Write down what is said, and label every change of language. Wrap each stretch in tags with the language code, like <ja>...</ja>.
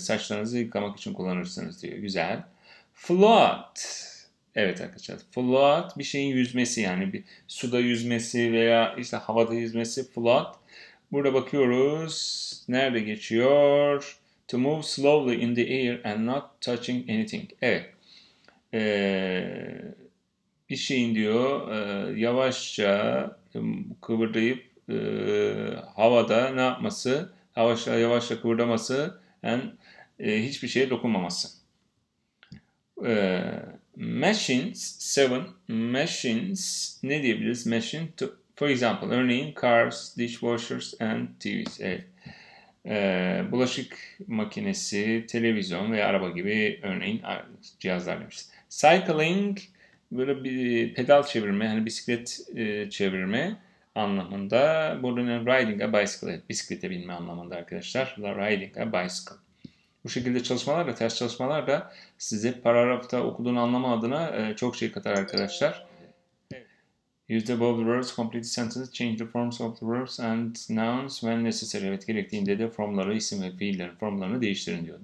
<tr>Saçlarınızı yıkamak için kullanırsınız diyor. Güzel. Float. Evet arkadaşlar. Float. Bir şeyin yüzmesi yani. Bir suda yüzmesi veya işte havada yüzmesi. Float. Burada bakıyoruz. Nerede geçiyor?</tr> <en>To move slowly in the air and not touching anything.</en> <tr>Evet. Bir şeyin diyor yavaşça kıvırdayıp havada ne yapması? Yavaşça yavaşça kıvırdaması and hiçbir şeye dokunmaması. Machines ne diyebiliriz?</tr> <en>Machine to, for example,</en> <tr>örneğin</tr> <en>cars, dishwashers and TVs. Evet.</en> <tr>Bulaşık makinesi, televizyon veya araba gibi örneğin cihazlar demiş. Cycling, böyle bir pedal çevirme, hani bisiklet çevirme anlamında. Burada</tr> <en>riding a bicycle,</en> <tr>evet, bisiklete binme anlamında arkadaşlar.</tr> <en>Riding a bicycle.</en> <tr>Bu şekilde çalışmalarda, ters çalışmalarda size paragrafta okuduğunu anlama adına çok şey katar arkadaşlar.</tr> <en>Use the above verbs, complete the sentence, change the forms of the verbs and nouns when necessary.</en> <tr>Evet, gerektiğinde de formları, isim ve fiillerin formlarını değiştirin diyor.</tr>